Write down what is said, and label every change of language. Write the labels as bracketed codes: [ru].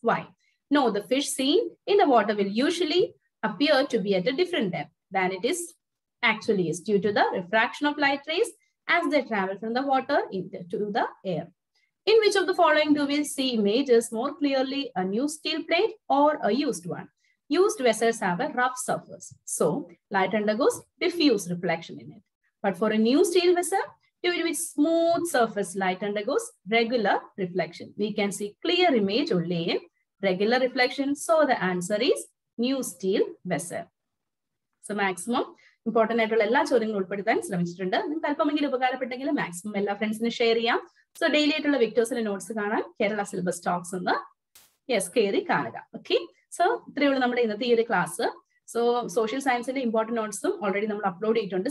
[en] Why no, the fish seen in the water will usually appear to be at a different depth than it is actually is due to the refraction of light rays as they travel from the water into the air. In which of the following do will see images more clearly? A new steel plate or a used one? Used vessels have a rough surface, so light undergoes diffuse reflection in it. But for a new steel vessel, due to its smooth surface, light undergoes regular reflection. We can see clear image only in regular reflection. So the answer is new steel vessel. So maximum important [ml] ആയിട്ടുള്ള എല്ലാ ചോദ്യങ്ങളും ഉൾപ്പെടുത്താൻ ശ്രമിച്ചിട്ടുണ്ട്. നിങ്ങൾക്ക് അല്പമെങ്കിലും ഉപകാരപ്പെട്ടെങ്കിൽ maximum എല്ലാ ഫ്രണ്ട്സിനും share ചെയ്യാം. സോ ഡെയിലി ആയിട്ടുള്ള വിക്ടേഴ്സിന്റെ നോട്ട്സ് കാണാൻ കേരള സിലബസ് ടോക്സ് ഒന്ന് യെസ് കയറി കാണുക. ഓക്കെ, സോ ഇത്രയേ ഉള്ളൂ നമ്മുടെ ഇന്നത്തെ ഈ ഒരു ക്ലാസ്. സോ സോഷ്യൽ സയൻസിന്റെ ഇമ്പോർട്ടൻ്റ് നോട്ട്സും ഓൾറെഡി നമ്മൾ അപ്ലോഡ് ചെയ്തിട്ടുണ്ട്.